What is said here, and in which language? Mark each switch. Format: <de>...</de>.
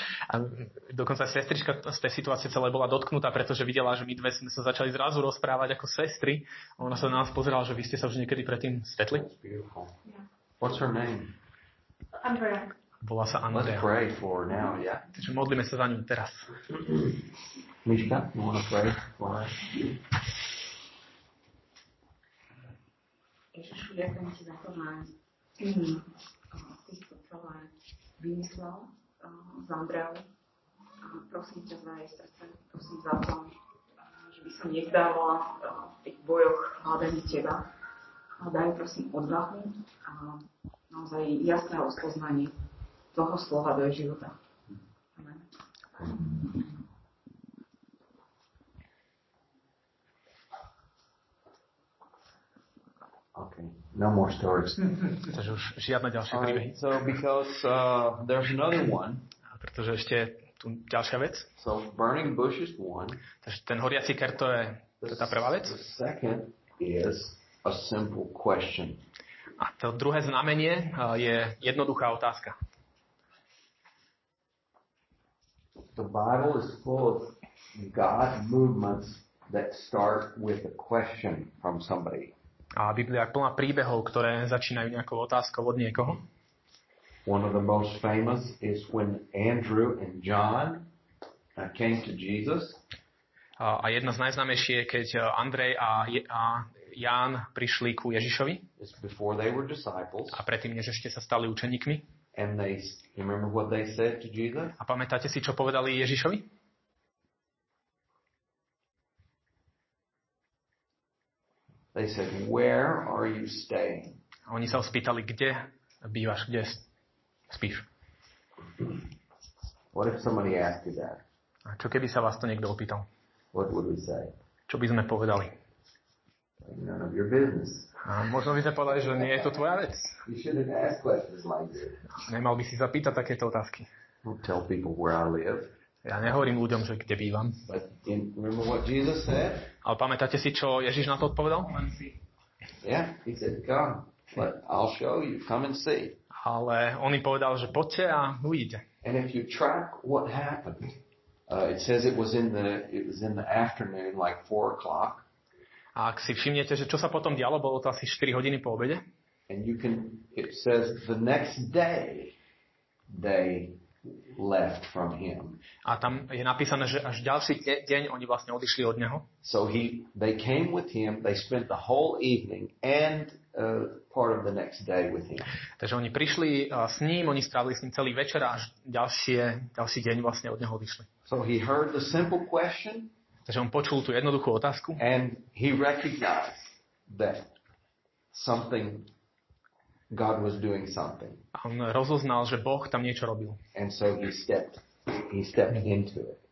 <sk>A dokonca sestrička z tej situácie celé bola dotknutá, pretože videla, že my dve sme sa začali zrazu rozprávať ako sestry. Ona sa na nás pozerala, že vy ste sa už niekedy predtým stretli.</sk> <en>Yeah. What's her name? Andrea.</en> <sk>Volá sa Andrea.</sk> <en>Let's pray for her now, yeah.</en> <sk>Takže modlíme sa za ňu teraz.</sk> <en>Miška, you want to pray for her?</en> <sk>Ježišu, ďakujem ti za to, že si to celé vymyslel za Andreu. Prosím ťa za jej srdce, prosím za to, že by sa nevzdávala v tých bojoch hľadaní teba. A daj prosím odvahu a naozaj jasné rozpoznanie toho slova do jej života. Amen.</sk> <en>No more stories.</en> <sk>Takže už žiadne ďalšie príbehy.</sk> <en>So because there's another one.</en> <sk>Pretože ešte tu ďalšia vec.</sk> <en>So burning bush is one.</en> <sk>Takže ten horiaci ker to je tá prvá vec.</sk> <en>The second is a simple question.</en> <sk>A to druhé znamenie je jednoduchá otázka.</sk> <en>The Bible is full of God movements that start with a question from somebody.</en> <sk>A Biblia je plná príbehov, ktoré začínajú nejakou otázkou od niekoho.</sk> <en>One of the most famous is when Andrew and John came to Jesus.</en> <sk>A jedna z najznámejšie je, keď Andrej a Ján prišli ku Ježišovi.</sk> <en>It's before they were disciples.</en> <sk>A predtým, než ešte sa stali učeníkmi.</sk> <en>And they, remember what they said to Jesus?</en> <sk>A pamätáte si, čo povedali Ježišovi?</sk> <en>They said, "Where are you staying?"</en> <sk>A oni sa ho spýtali, kde bývaš, kde spíš.</sk> <en>What if somebody asked you that?</en> <sk>A čo keby sa vás to niekto opýtal?</sk> <en>What would we say?</en> <sk>Čo by sme povedali?</sk> <en>None of your business.</en> <sk>A možno by sme povedali, že nie je to tvoja vec.</sk> <en>You shouldn't ask questions like this.</en> <sk>Nemal by si zapýtať takéto otázky.</sk> <en>Don't tell people where I live.</en> <sk>Ja nehovorím ľuďom, že kde bývam. Ale pamätáte si, čo Ježiš na to odpovedal?</sk> <en>Yeah, he said, come. But I'll show you. Come and see.</en> <sk>A Ale on im povedal, že poďte a uvidíte.</sk> <en>And if you track what happened, it says it was in the afternoon, like 4 o'clock.</en> <sk>A ak si všimnete, že čo sa potom dialo, bolo to asi 4 hodiny po obede.</sk> <en>And you can, it says the next day they left from him.</en> <sk>A tam je napísané, že až ďalší deň oni vlastne odišli od neho.</sk> <en>So they came with him, they spent the whole evening and part of the next day with him.</en> <sk>Takže oni prišli s ním, oni strávili s ním celý večer a až ďalší deň vlastne od neho odišli.</sk> <en>So he heard the simple question.</en> <sk>Takže on počul tú jednoduchú otázku.</sk> <en>And he recognized that something God was doing something.</en> <sk>On rozoznal, že Boh tam niečo robil.</sk> <en>And so he stepped into it.</en>